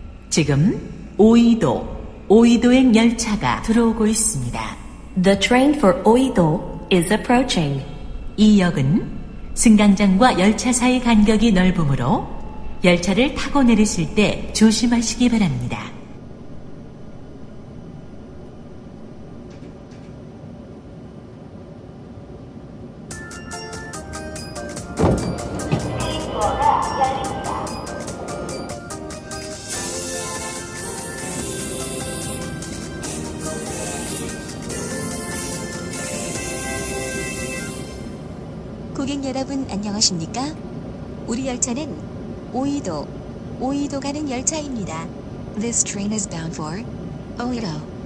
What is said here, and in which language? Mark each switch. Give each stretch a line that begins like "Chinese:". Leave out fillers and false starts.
Korean: 지금 오이도, 오이도행 열차가 들어오고 있습니다.
English: The train for Oido is approaching.
Korean: 이 역은 승강장과 열차 사이 간격이 넓으므로 열차를 타고 내리실 때 조심하시기 바랍니다. 고객 여러분 안녕하십니까? 우리 열차는 오이도, 오이도 가는 열차입니다.
English: This train is bound for Oido.